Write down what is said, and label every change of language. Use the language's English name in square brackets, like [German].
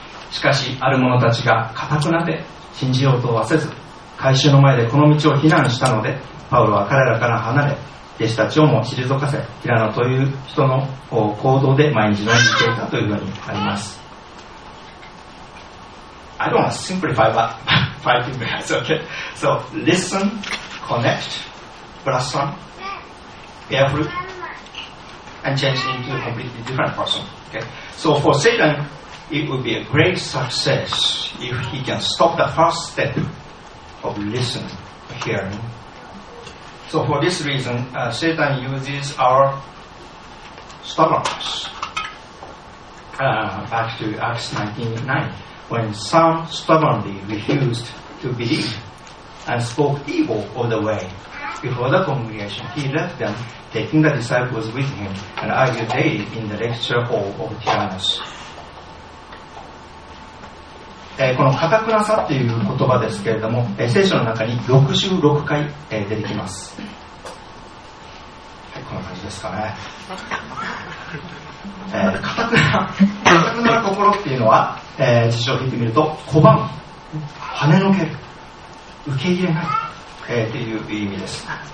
[Japanese] しかしある者たちが固くなで信じようとはせず、会衆の前でこの道を非難したので、パウロは彼らから離れ弟子たちをも退かせ、ティラノという人の行動で毎日のように生きていたというふうにあります。 [English] I don't want to simplify, but five minutes, okay? So, listen, connect, blossom, bear fruit, and change into a completely different person, okay? So, for Satan, it would be a great success if he can stop the first step of listening, hearing,So for this reason, Satan uses our stubbornness. Back to Acts 19:9, when some stubbornly refused to believe and spoke evil of the way, before the congregation. He left them, taking the disciples with him, and argued daily in the lecture hall of Tyrannus. [Japanese] この固くなさっていう言葉ですけれども、聖書の中に66回出てきます。はい、こんな感じですかね。固くな心っていうのは、辞書を引いてみると、拒む、跳ねのける、受け入れない、という意味です。